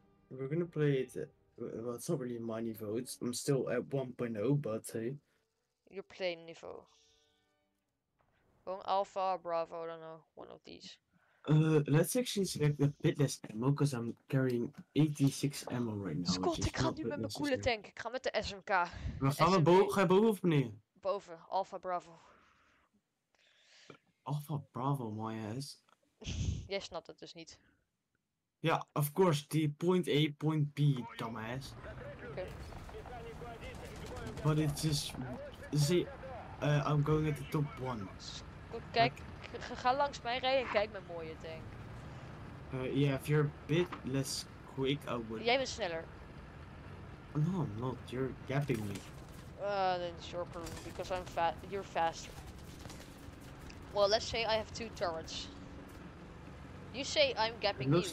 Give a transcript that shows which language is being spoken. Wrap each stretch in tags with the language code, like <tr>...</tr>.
<en>We're gonna play it. Well, it's not really my niveau. I'm still at 1.0, but hey. You're playing niveau. Going alpha, bravo, I don't know. One of these. Let's actually select a bit less ammo, because I'm carrying 86 ammo right now.</en> <nl>Scott, ik ga nu met mijn coole tank. Ik ga met de SMK. We gaan we boven of beneden? Boven, alpha, bravo.</nl> <en>Alpha, bravo, my ass.</en> <nl>Jij snapt het dus niet.</nl> <en>Ja, yeah, of course, die point A, point B, dumbass. Okay. But it's just... See, I'm going at the top one.</en> <nl>Kijk, ga langs mij rijden en kijk mijn mooie tank.</nl> <en>Yeah, if you're a bit less quick, I would...</en> <nl>Jij bent sneller.</nl> <en>No, I'm not. You're gapping me. Then it's your problem, because I'm fat. You're faster. Well, let's say I have 2 turrets. You say I'm gapping it looks</en>